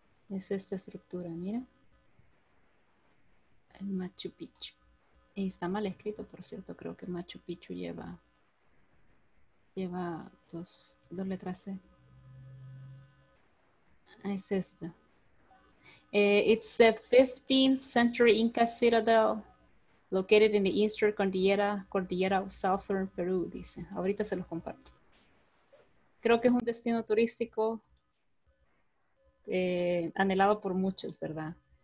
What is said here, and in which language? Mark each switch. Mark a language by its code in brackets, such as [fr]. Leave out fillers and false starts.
[es] Es esta estructura, mira. El Machu Picchu. Y está mal escrito, por cierto. Creo que Machu Picchu lleva dos letras C. Es esta. [en] It's the 15th century Inca citadel located in the eastern cordillera of southern Peru, dice. [es] Ahorita se los comparto. Creo que es un destino turístico anhelado por muchos, ¿verdad?